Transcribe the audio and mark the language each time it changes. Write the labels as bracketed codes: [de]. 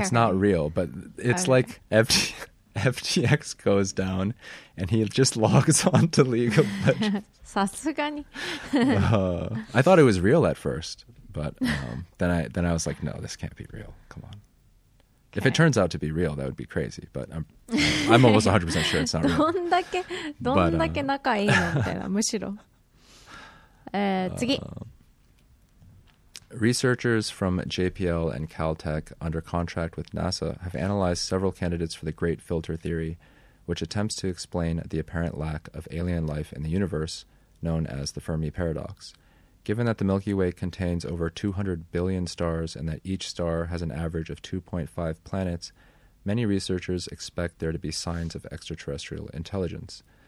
[en] It's not real, but it's like FTX goes down and he just logs on to League of Legends. [ja] さすがに [en] I thought it was real at first, but then I was like, no, this can't be real. Come on. Okay. If it turns out to be real, that would be crazy, but I'm almost 100% sure it's not real. [ja] どんだけ仲いいのみたいな、むしろ。次。 [en] Researchers from JPL and Caltech under contract with NASA have analyzed several candidates for the Great Filter Theory, which attempts to explain the apparent lack of alien life in the universe, known as the Fermi Paradox. Given that the Milky Way contains over 200 billion stars and that each star has an average of 2.5 planets, many researchers expect there to be signs of extraterrestrial intelligence.